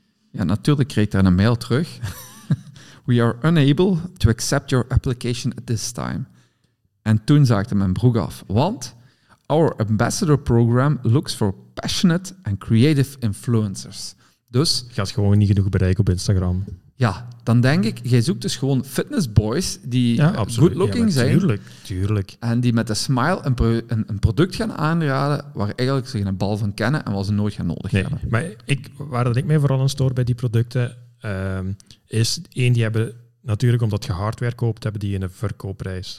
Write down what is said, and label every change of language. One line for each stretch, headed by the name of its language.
Dutch: Ja, natuurlijk kreeg ik daar een mail terug.
English: We are unable to accept your application at this time.
Dutch: En toen zaakte mijn broek af. Want
English: our ambassador program looks for passionate and creative influencers.
Dutch: Dus... je gaat gewoon niet genoeg bereiken op Instagram. Ja, dan denk ik, jij zoekt dus gewoon fitnessboys die goodlooking zijn. Tuurlijk. En die met een smile een product gaan aanraden waar eigenlijk ze geen bal van kennen en wat ze nooit gaan nodig hebben. Nee, maar waar ik mij vooral aan stoor bij die producten... is één, die hebben natuurlijk, omdat je hardware koopt, hebben die een verkoopprijs.